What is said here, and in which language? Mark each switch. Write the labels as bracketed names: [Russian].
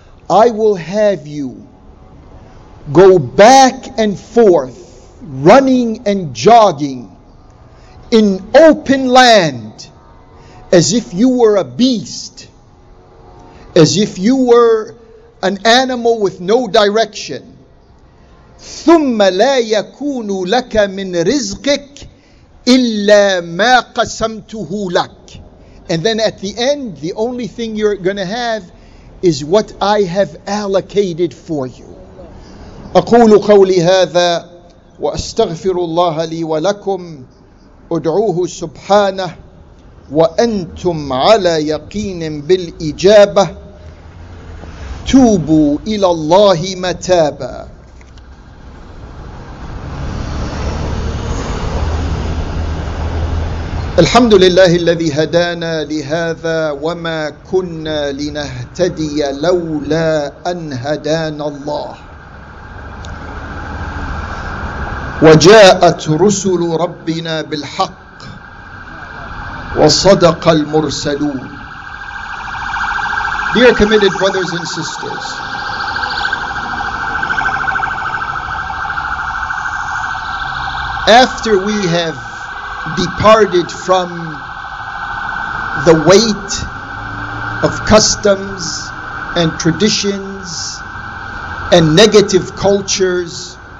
[English] I will have you go back and forth, running and jogging in open land, as if you were a beast, as if you were an animal with no direction. [Arabic] ثُمَّ لَا يَكُونُ لَكَ مِنْ رِزْقِكَ إِلَّا مَا قَسَمْتُهُ لَكَ. [English] And then at the end, the only thing you're going to have is what I have allocated for you. [Arabic] أقول قولي هذا وأستغفر الله لي ولكم أدعوه سبحانه وأنتم على يقين بالإجابة توبوا إلى الله متابا. الحمد لله الذي هدانا لهذا وما كنا لنهتدي لولا أن هدانا الله وجاءت رسل ربنا بالحق وصدق المرسلون. [English] Dear committed brothers and sisters, after we have departed from the weight of customs and traditions and negative cultures,